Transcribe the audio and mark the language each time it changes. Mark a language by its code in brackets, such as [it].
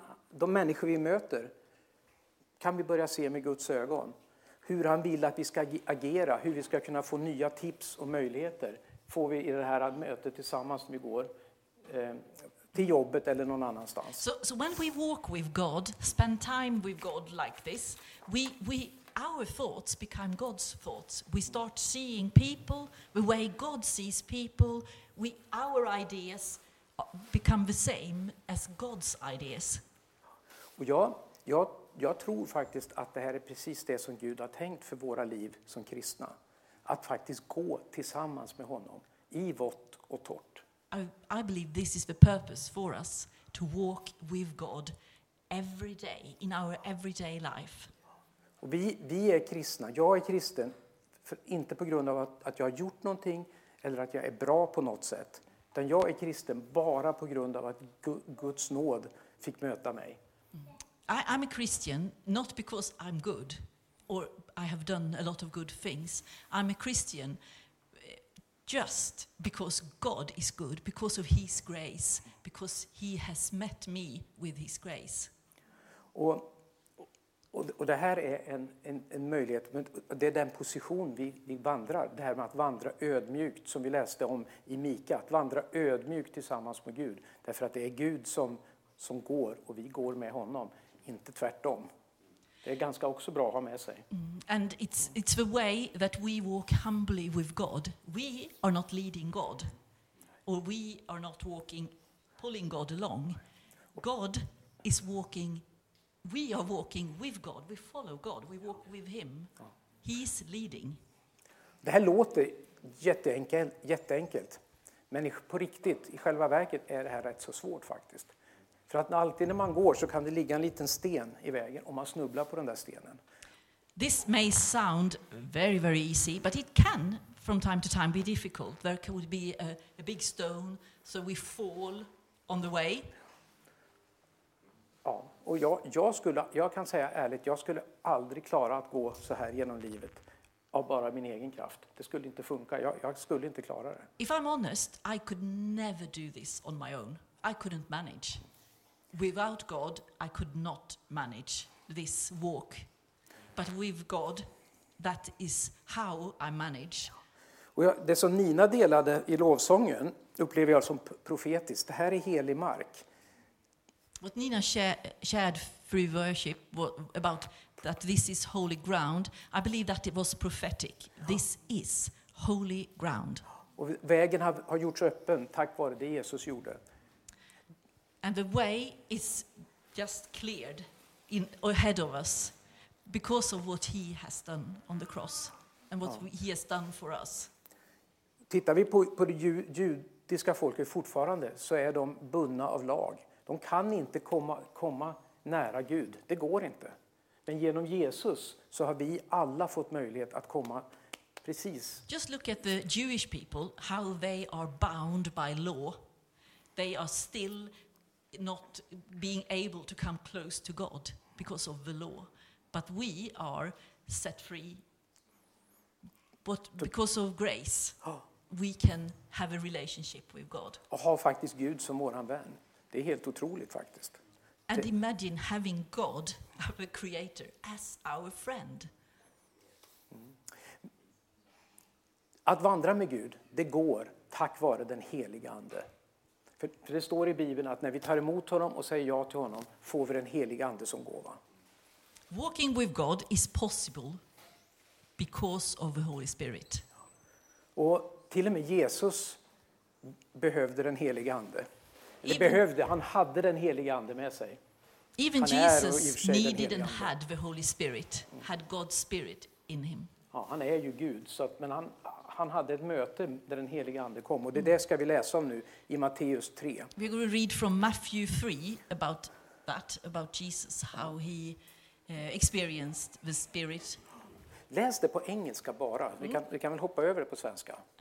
[sv] De människor vi möter kan vi börja se med Guds ögon. Hur han vill att vi ska agera, hur vi ska kunna få nya tips och möjligheter får vi i det här mötet tillsammans när vi går till jobbet eller någon annanstans. [en] So when we walk with God, spend time with God like this, we our thoughts become God's thoughts. We start seeing people the way God sees people. Our ideas become the same as God's ideas. [sv] Och jag tror faktiskt att det här är precis det som Gud har tänkt för våra liv som kristna. Att faktiskt gå tillsammans med honom i vått och torrt. [en] I believe this is the purpose for us to walk with God every day in our everyday life. [sv] Och vi är kristna. Jag är kristen inte på grund av att jag har gjort någonting eller att jag är bra på något sätt. Utan jag är kristen bara på grund av att Guds nåd fick möta mig. [en] I'm a Christian not because I'm good or I have done a lot of good things. I'm a Christian just because God is good, because of his grace, because he has met me with his grace. [sv] Och det här är en möjlighet, men det är den position vi vandrar, det här med att vandra ödmjukt som vi läste om i Mika, att vandra ödmjukt tillsammans med Gud, därför att det är Gud som går och vi går med honom. Inte tvärtom. Det är ganska också bra att ha med sig. [en] And it's the way that we walk humbly with God. We are not leading God. Or we are not walking, pulling God along. God is walking, we are walking with God. We follow God, we walk with him. He's leading. [sv] Det här låter jätteenkelt. Men på riktigt, i själva verket är det här rätt så svårt faktiskt. För att alltid när man går så kan det ligga en liten sten i vägen om man snubblar på den där stenen. [en] This may sound very very easy, but it can from time to time be difficult. There could be a big stone, so we fall on the way. [sv] Ja, och jag kan säga ärligt, jag skulle aldrig klara att gå så här genom livet av bara min egen kraft. Det skulle inte funka. Jag skulle inte klara det. [en] If I'm honest, I could never do this on my own. I couldn't manage. Without God, I could not manage this walk. But with God, that is how I manage. [sv] Och det som Nina delade i lovsången upplever jag som profetiskt. Det här är helig mark. [en] What Nina shared through worship about that this is holy ground, I believe that it was prophetic. Ja. This is holy ground. [sv] Och vägen har gjorts öppen tack vare det Jesus gjorde. [en] And the way is just cleared in ahead of us because of what he has done on the cross and what he has done for us. [sv] Tittar vi på det judiska folket fortfarande så är de bundna av lag. De kan inte komma nära Gud. Det går inte. Men genom Jesus så har vi alla fått möjlighet att komma precis. [en] Just look at the Jewish people, how they are bound by law. They are still not being able to come close to God because of the law, but we are set free, but because of grace we can have a relationship with God. [sv] Och ha faktiskt Gud som vår vän, det är helt otroligt faktiskt. [en] And imagine having God, our creator, as our friend. [sv] Att vandra med Gud, det går tack vare den helige ande. För det står i Bibeln att när vi tar emot honom och säger ja till honom får vi den helige ande som gåva. [en] Walking with God is possible because of the Holy Spirit. [sv] Och till och med Jesus behövde den helige ande. Eller behövde, han hade den helige ande med sig. [en] Even Jesus needed and had the Holy Spirit, had God's Spirit in him. [sv] Ja, han är ju Gud, så att, men han hade ett möte där den helige ande kom, och det ska vi läsa om nu i Matteus 3. [en] We're going to read from Matthew 3 about that, about Jesus, how he experienced the Spirit. [sv] Läs det på engelska bara. Vi kan väl hoppa över det på svenska.